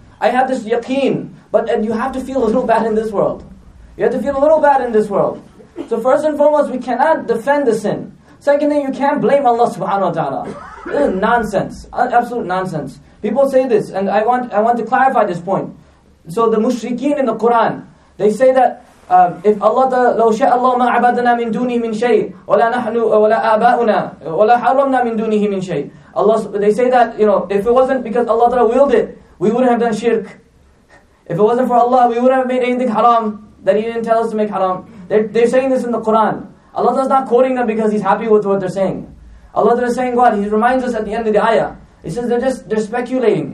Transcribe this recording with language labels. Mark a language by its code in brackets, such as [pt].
[en] I have this yaqeen. But you have to feel a little bad in this world. You have to feel a little bad in this world. So first and foremost, we cannot defend the sin. Second thing, you can't blame Allah subhanahu wa ta'ala. This is nonsense. Absolute nonsense. People say this, and I want to clarify this point. So the mushrikeen in the Qur'an, they say that if Allah ta'ala, [ar] لو شاء الله ما عبدنا من دونه من شيء ولا نحن ولا آباؤنا ولا حرمنا من دونه من شيء. [en] Allah, they say that, you know, if it wasn't because Allah ta'ala willed it, we wouldn't have done shirk. If it wasn't for Allah, we wouldn't have made anything haram that He didn't tell us to make haram. They're saying this in the Qur'an. Allah is not quoting them because He's happy with what they're saying. Allah is saying what? He reminds us at the end of the ayah. He says they're speculating.